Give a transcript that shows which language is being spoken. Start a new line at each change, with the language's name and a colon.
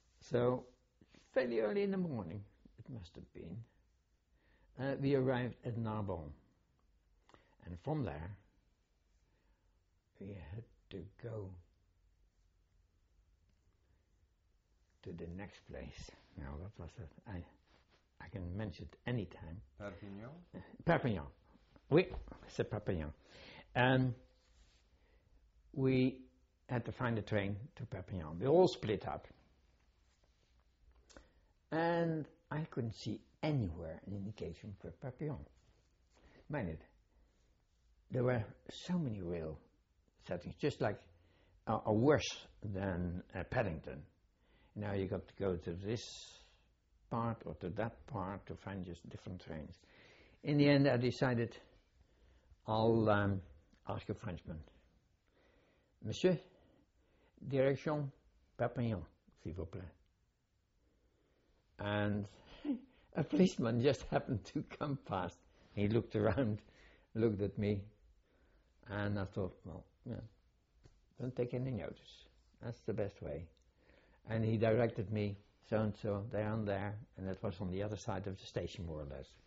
English: So, fairly early in the morning, it must have been, we arrived at Narbonne. And from there, we had to go to the next place. Now, that was it. I can mention it any time. Perpignan?
French: Perpignan. Oui, c'est Perpignan.
English: We had to find a train to Perpignan. We all split up. And I couldn't see anywhere an indication for Perpignan. Mind it, there were so many rail settings, just like worse than Paddington. Now you got to go to this part or to that part to find just different trains. In the end, I decided I'll ask a Frenchman.
French: Monsieur, direction Perpignan, s'il vous plaît.
English: And a policeman just happened to come past. He looked around, looked at me, and I thought, well, yeah, don't take any notice. That's the best way. And he directed me so-and-so down there, and that was on the other side of the station, more or less.